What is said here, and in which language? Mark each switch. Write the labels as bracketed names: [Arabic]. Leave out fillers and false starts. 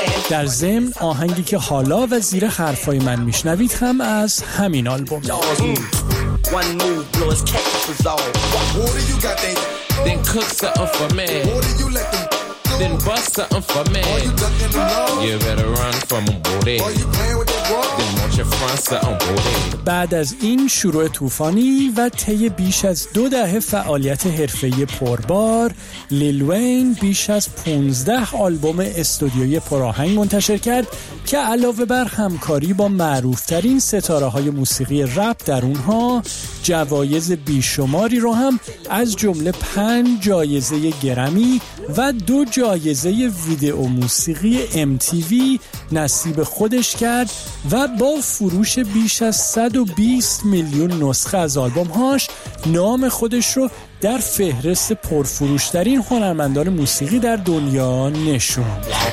[Persian] در ضمن آهنگی که حالا و زیر حرفای من میشنوید هم از همین آلبوم. [English] One move blows catches us all. What do you got then? Then cook something for me. What do you let them do? Then bust something for me. Are you ducking them low? You better run from them, boy. Are you playing with them, bro? Then watch your front something, boy. [Persian] بعد از این شروع طوفانی و طی بیش از 2 دهه فعالیت حرفه‌ای پربار، لیل وین بیش از 15 آلبوم استودیویی پرآهنگ منتشر کرد که علاوه بر همکاری با معروف‌ترین ستاره‌های موسیقی رپ در اونها، جوایز بیشماری رو هم از جمله 5 جایزه گرمی و 2 جایزه ویدئو موسیقی MTV نصیب خودش کرد و با فروش بیش از 120 میلیون نسخه از آلبوم‌هاش نام خودش رو در فهرست پرفروش‌ترین هنرمندان موسیقی در دنیا نشوند.